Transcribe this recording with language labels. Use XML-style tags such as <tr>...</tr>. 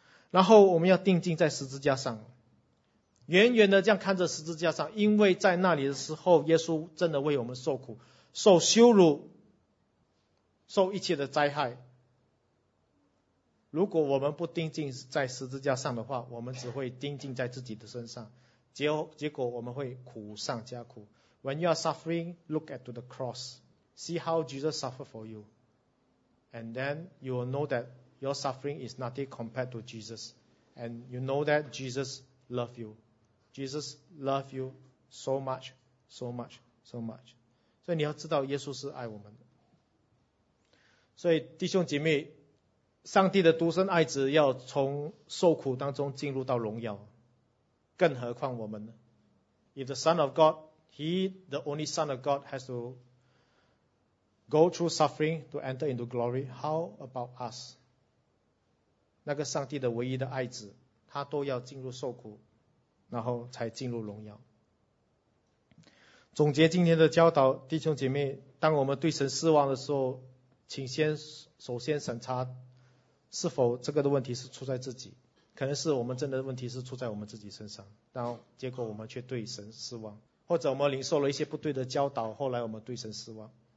<zh>然后我们要定睛在十字架上，远远的这样看着十字架上，因为在那里的时候，耶稣真的为我们受苦，受羞辱，受一切的灾害。如果我们不钉钉在十字架上的话，我们只会钉钉在自己的身上，结果我们会苦上加苦。</zh> <en>When you are suffering, look at the cross, see how Jesus suffered for you, and then you will know that your suffering is nothing compared to Jesus, and you know that Jesus loves you. Jesus loves you so much, so much, so much.</en> <zh>所以你要知道耶稣是爱我们的。所以弟兄姐妹，上帝的独生爱子要从受苦当中进入到荣耀，更何况我们呢？</zh> <en>If the Son of God, He, the only Son of God, has to go through suffering to enter into glory, how about us?</en> <zh>那个上帝的唯一的爱子，他都要进入受苦，然后才进入荣耀。总结今天的教导，弟兄姐妹，当我们对神失望的时候，请先首先审查是否这个的问题是出在自己，可能是我们真的问题是出在我们自己身上，然后结果我们却对神失望，或者我们领受了一些不对的教导，后来我们对神失望。</zh>